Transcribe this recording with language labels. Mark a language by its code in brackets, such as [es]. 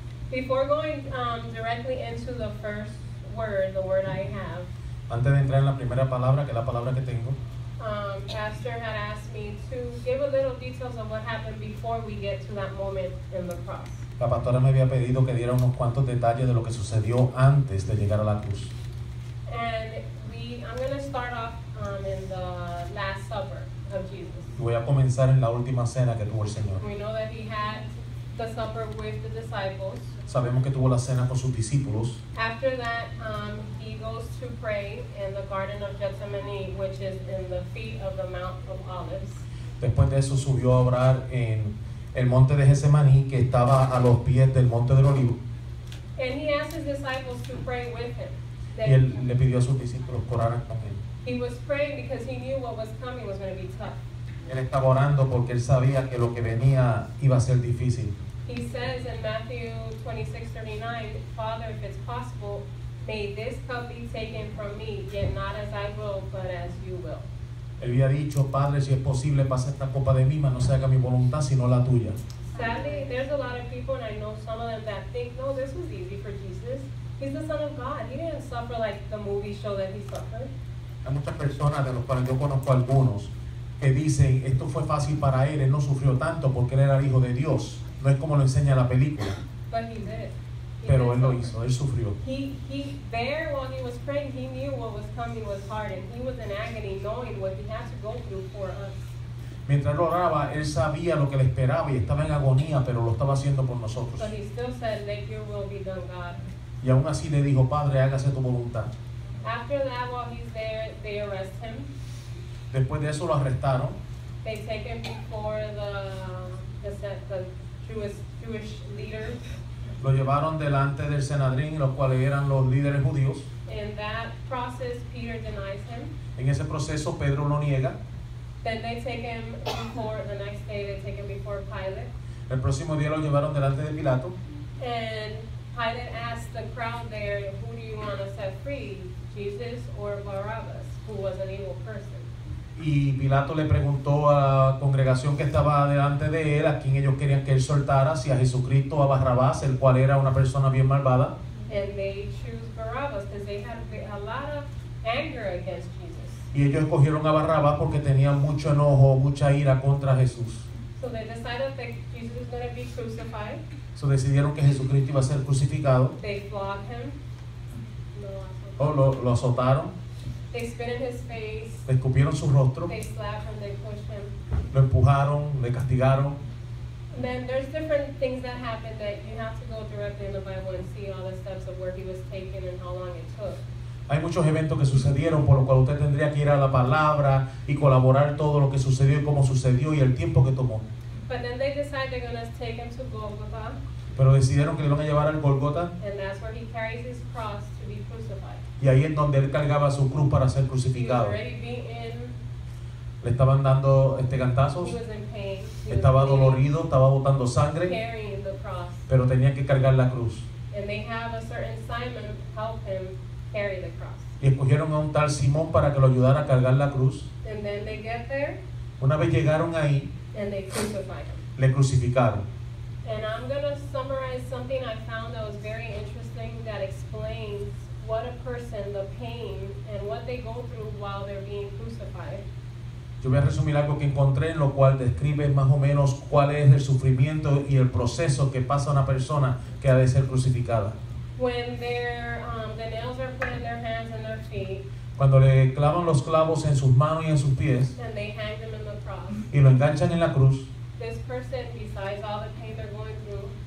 [en] Before going directly into the first word, the word I have. [es] Antes de entrar en la primera palabra, que es la palabra que tengo. [en] Pastor had asked me to give a little details of what happened before we get to that moment in the cross. [es] La pastora me había pedido que diera unos cuantos detalles de lo que sucedió antes de llegar a la cruz. [en] And I'm going to start off in the Last Supper of Jesus. [es] Voy a comenzar en la última cena que tuvo el Señor. [en] We know that he had the supper with the disciples. [es] Sabemos que tuvo la cena con sus discípulos. [en] After that, he goes to pray in the Garden of Gethsemane, which is in the feet of the Mount of Olives. [es] Después de eso subió a orar en el monte de Getsemaní, que estaba a los pies del monte del Olivo. [en] And he asked his disciples to pray with him. [es] Y él le pidió a sus discípulos que oraran con él. [en] He was praying because he knew what was coming was going to be tough. [es] Él estaba orando porque él sabía que lo que venía iba a ser difícil. [en] He says in Matthew 26:39, Father, if it's possible, may this cup be taken from me, yet not as I will, but as you will. [es] Él había dicho, Padre, si es posible, pasa esta copa de mí, mas no se haga mi voluntad, sino la tuya. [en] Sadly, there's a lot of people, and I know some of them, that think, no, this was easy for Jesus. He's the Son of God. He didn't suffer like the movie show that he suffered. [es] Hay muchas personas, de los cuales yo conozco algunos, que dicen, esto fue fácil para él, él no sufrió tanto porque él era el Hijo de Dios. No es como lo enseña la película. [en] But he did it. [es] Pero él lo hizo, él sufrió. [en] He there while he was praying, he knew what was coming was hard, and he was in agony knowing what he had to go through for us. [es] Mientras lo oraba, él sabía lo que le esperaba y estaba en agonía, pero lo estaba haciendo por nosotros. [en] But he still said, let your will be done, God. [es] Y aún así le dijo, Padre, hágase tu voluntad. [en] After that, while he's there, they arrest him. [es] Después de eso lo arrestaron. [en] They take him before the Jewish leaders. [es] Lo llevaron delante del Sanedrín, los cuales eran los líderes judíos. [en] In that process, Peter denies him. [es] En ese proceso, Pedro lo niega. [en] Then they take him before, the next day they take him before Pilate. [es] El próximo día lo llevaron delante de Pilato. [en] And Pilate asked the crowd there, who do you want to set free, Jesus or Barabbas, who was an evil person? [es] Y Pilato le preguntó a la congregación que estaba delante de él, a quién ellos querían que él soltara, si a Jesucristo o a Barrabás, el cual era una persona bien malvada. [en] And they chose Barabbas because they had a lot of anger against Jesus. [es] Y ellos escogieron a Barrabás porque tenían mucho enojo, mucha ira contra Jesús. [en] So they decided that Jesus was going to be crucified. [es] So decidieron que Jesucristo iba a ser crucificado. [en] They flogged him. [es] Lo azotaron. [en] They spit in his face. [es] Le escupieron su rostro. [en] They slapped him. They pushed him. [es] Lo empujaron. Le castigaron. [en] Then there's different things that happened that you have to go directly in the Bible and see all the steps of where he was taken and how long it took. [es] Hay muchos eventos que sucedieron, por lo cual usted tendría que ir a la palabra y colaborar todo lo que sucedió y cómo sucedió y el tiempo que tomó. [en] But then they decide they're going to take him to Golgotha. [es] Pero decidieron que le iban a llevar al Golgotha. [en] And that's where he carries his cross to be crucified. [es] Y ahí es donde él cargaba su cruz para ser crucificado. [en] He was already beaten. [es] Le estaban dando cantazos. [en] He was in pain. [es] Estaba dolorido, estaba botando sangre. [en] Carrying the cross. [es] Pero tenía que cargar la cruz. [en] And they have a certain Simon help him carry the cross. [es] Y escogieron a un tal Simón para que lo ayudara a cargar la cruz. [en] And then they get there. [es] Una vez llegaron ahí. [en] And they crucified him. [es] Le crucificaron. [en] And I'm going to summarize something I found that was very interesting that explains what a person, the pain, and what they go through while they're being crucified. [es] Yo voy a resumir algo que encontré en lo cual describe más o menos cuál es el sufrimiento y el proceso que pasa una persona que ha de ser crucificada. [en] When the nails are put in their hands and their feet. [es] Cuando le clavan los clavos en sus manos y en sus pies. [en] And they hang them in the cross. [es] Y lo enganchan en la cruz. [en] This person, besides all the pain they're going through,